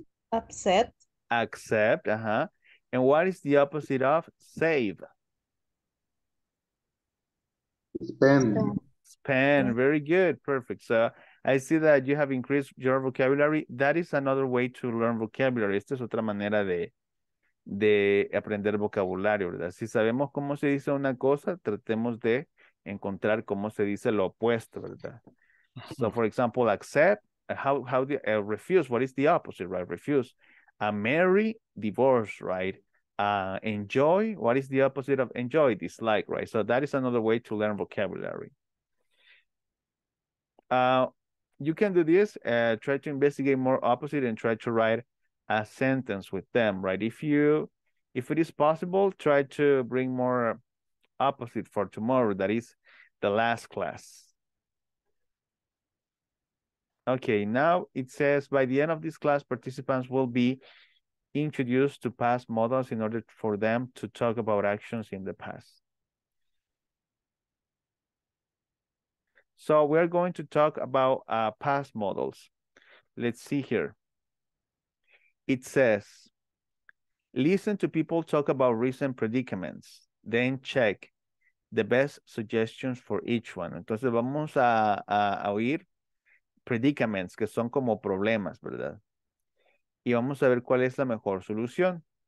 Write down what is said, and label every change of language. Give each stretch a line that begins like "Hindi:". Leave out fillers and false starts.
English: Upset. Accept, uh-huh. And what is the opposite of save? Spend. Spend, very good, perfect. So I see that you have increased your vocabulary. That is another way to learn vocabulary.
Spanish: Esta es otra manera de aprender vocabulario, ¿verdad? Si sabemos cómo se dice una cosa, tratemos de encontrar cómo se dice lo opuesto, ¿verdad?
English: So, for example, accept, refuse, what is the opposite, right? Refuse. Marry, divorce, right? Enjoy, what is the opposite of enjoy? Dislike, right? So that is another way to learn vocabulary. You can do this, try to investigate more opposite and try to write a sentence with them, right? If it is possible, try to bring more opposite for tomorrow, that is the last class. Okay, now it says by the end of this class, participants will be introduced to past models in order for them to talk about actions in the past. So we're going to talk about past models. Let's see here. It says, listen to people talk about recent predicaments, then check the best suggestions for each one.
Spanish: Entonces vamos a oír predicaments, que son como problemas, ¿verdad? Y vamos a ver cuál es la mejor solución.